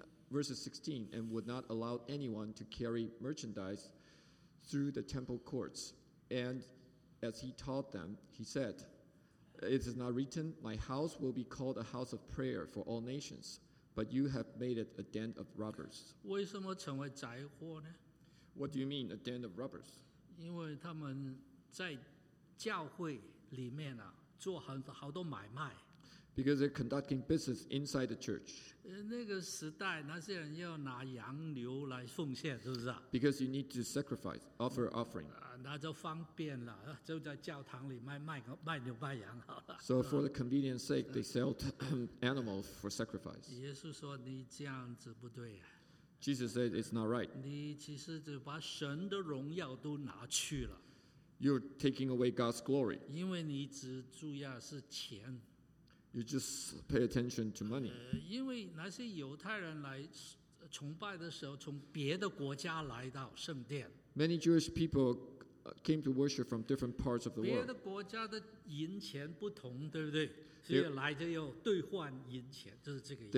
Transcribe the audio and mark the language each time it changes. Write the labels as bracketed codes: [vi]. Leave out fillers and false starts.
[en] 16:16, and would not allow anyone to carry merchandise through the temple courts. And as he taught them, he said, It is not written, My house will be called a house of prayer for all nations, but you have made it a den of robbers. [zh] 为什么成为宰货呢? [en] What do you mean, a den of robbers? [zh] 因为他们在教会里面啊，做很多好多买卖。 [en] Because they're conducting business inside the church. [zh] 那个时代，那些人要拿羊牛来奉献，是不是啊 [en] ？Because you need to sacrifice, offer offering. [zh] 那就方便了，就在教堂里卖牛卖羊好了。 [en] So for the convenience sake, they sell animals for sacrifice. [zh] 耶稣说：“你这样子不对啊。” [en] Jesus said, "It's not right." [zh] 你其实就把神的荣耀都拿去了。 [en] You're taking away God's glory. [zh] 因为你只注意是钱。 [en] You just pay attention to money. [zh] 因为那些犹太人来崇拜的时候，从别的国家来到圣殿。 [en] Many Jewish people came to worship from different parts of the world. [zh] 别的国家的银钱不同，对不对？所以来就要兑换银钱，就是这个意思。